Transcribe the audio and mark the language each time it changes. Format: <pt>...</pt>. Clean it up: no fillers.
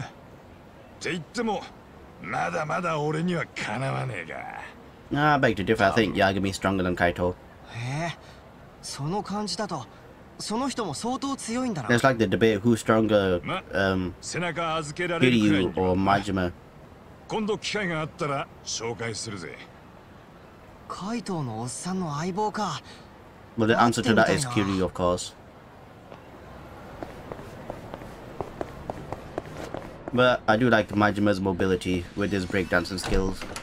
<ja>って言ってもまだまだ俺にはかなわねえが。</ja> <en>I beg to differ. I think Yagami is stronger than Kaito.</en> <ja>へえ、その感じだとその人も相当強いんだな。</ja> <en>It's like the debate who's stronger, Kiryu or Majima.</en> <ja>今度機会があったら紹介するぜ。 Kaito のおっさんの相棒か。</ja> <en>Well, the answer to that is Kiryu, of course. But I do like Majima's mobility with his breakdancing skills.</en>